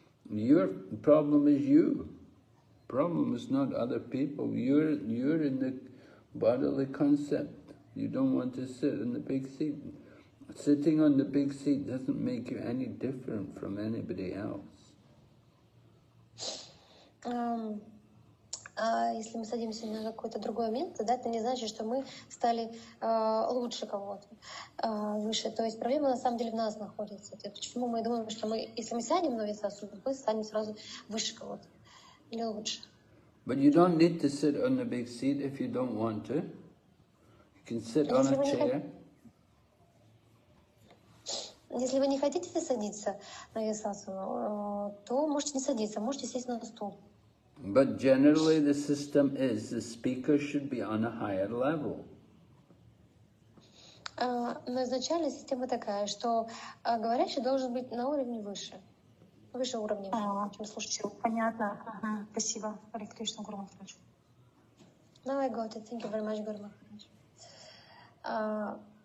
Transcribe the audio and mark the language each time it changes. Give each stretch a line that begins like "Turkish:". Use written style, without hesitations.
English: Your problem is you. Problem is not other people. You're in the bodily concept. You don't want to sit on the big seat. Sitting on the big seat doesn't make you any different from anybody else.
Russian: А если мы садимся на какое-то другое место, да, это не значит, что мы стали лучше кого-то, выше. То есть проблема на самом деле в нас находится. Это почему мы думаем, что мы, если мы сядем на Вьясасану, то мы станем сразу выше кого-то или лучше.
English: But you don't need to sit on a big seat if you don't want to. You can sit on a chair.
Russian: Если вы не хотите садиться на Вьясасану, то можете не садиться, можете сесть на стул.
English: But generally the system is the speaker should be on a higher level.
Russian: Но изначально система такая, что говорящий должен быть на уровне выше. Выше уровня, чем слушатель. Понятно. Спасибо, Хари Кришна, Гуру Махарадж. Давай,
English: Готи. Thank you very much, Гуру Махарадж.